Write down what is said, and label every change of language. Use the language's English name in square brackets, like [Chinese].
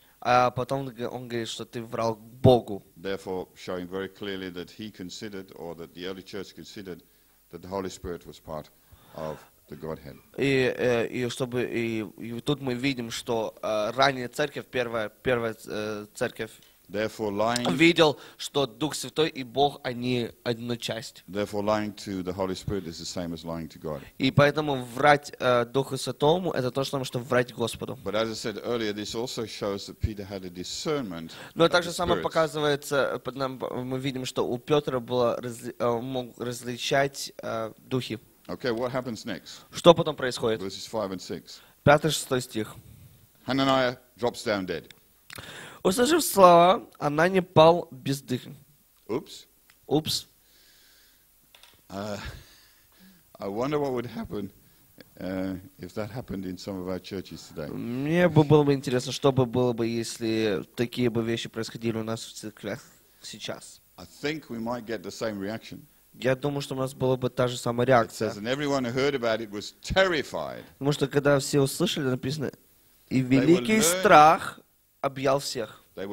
[Russian] А потом он говорит, что ты врал Богу. [English] Therefore, showing very clearly that he considered, or that the early church considered, that the Holy Spirit was part of the Godhead. [Russian] И тут мы видим, что ранняя церковь, первая церковь, [English] therefore, lying, [Russian] видел, что Дух Святой и Бог они одна часть. [English] Therefore, lying to the Holy Spirit is the same as lying to God. [Russian] И поэтому врать Духу Святому это то же самое, что врать Господу. [English] But as I said earlier, this also shows that Peter had a discernment. [Russian] Но также само показывается, мы видим, что у Петра было мог различать духи. [English] Okay, what happens next? [Russian] Что потом происходит? [English] Verses 5 and 6. [Russian] Пятый, шестой стих. [English] Hananiah drops down dead. [Russian] Услышав слова, она не пал без дыха. [English] Oops. Oops. I wonder what would happen if that happened in some of our churches today. [Russian] Мне бы было бы интересно, что бы было бы, если такие бы вещи происходили у нас в церквях сейчас. [English] I think we might get the same reaction. [Russian] Я думаю, что у нас была бы та же самая реакция. Потому что когда все услышали, написано, и великий страх объял всех.